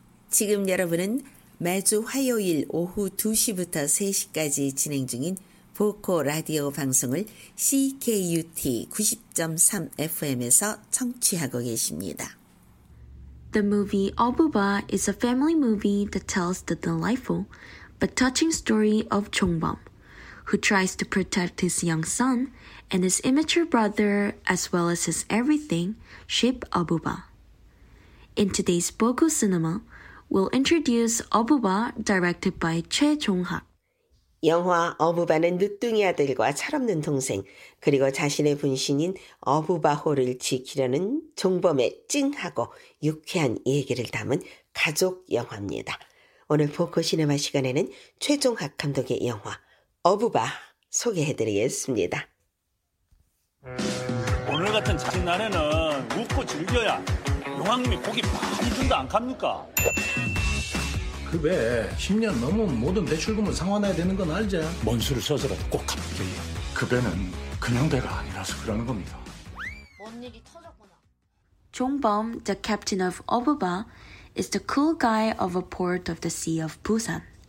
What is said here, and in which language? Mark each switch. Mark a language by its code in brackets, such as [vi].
[ko] 지금 여러분은 매주 화요일 오후 2시부터 3시까지 진행 중인 보코 라디오 방송을 CKUT 90.3 FM에서 청취하고 계십니다. [en] The movie Obuba is a family movie that tells the delightful but touching story of Jongbom, who tries to protect his young son and his immature brother as well as his everything, Ship Obuba. In today's Boku Cinema, we'll introduce Obuba, directed by Choi Jong-hak. [ko] 영화 어부바는 늦둥이 아들과 철없는 동생, 그리고 자신의 분신인 어부바호를 지키려는 종범의 찡하고 유쾌한 얘기를 담은 가족 영화입니다. 오늘 포커시네마 시간에는 최종학 감독의 영화 어부바 소개해드리겠습니다. 오늘 같은 작은 날에는 웃고 즐겨야 용왕님이 고기 많이 준다 안 갑니까? 그 왜 10년 넘으면 모든 대출금을 상환해야 되는 건 알지? 뭔 수를 써서라도 꼭 갚을게요. 그 배는 그냥 배가 아니라서 그러는 겁니다. 뭔 일이 터졌구나. [en] 종범, the captain of Obuba, is the cool guy of a port of the Sea of Busan.